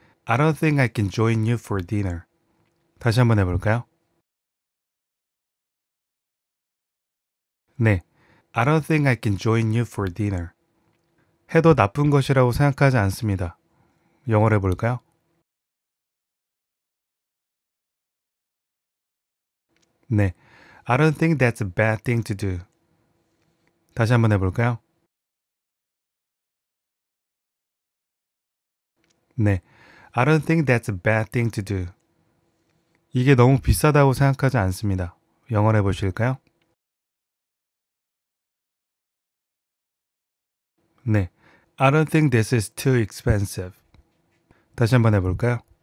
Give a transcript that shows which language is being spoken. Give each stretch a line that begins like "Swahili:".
English: I don't think I can join you for dinner.
Korean: 다시 한번 해볼까요? 네.
English: I don't think I can join you for dinner.
Korean: 해도 나쁜 것이라고 생각하지 않습니다. 영어로 해볼까요? 네.
English: I don't think that's a bad thing to do.
Korean: 다시 한번 해볼까요? 네.
English: I don't think that's a bad thing to do.
Korean: 이게 너무 비싸다고 생각하지 않습니다. 영어로 해보실까요?
English: 네. I don't think this is too expensive.
Korean: 다시 한번 해볼까요?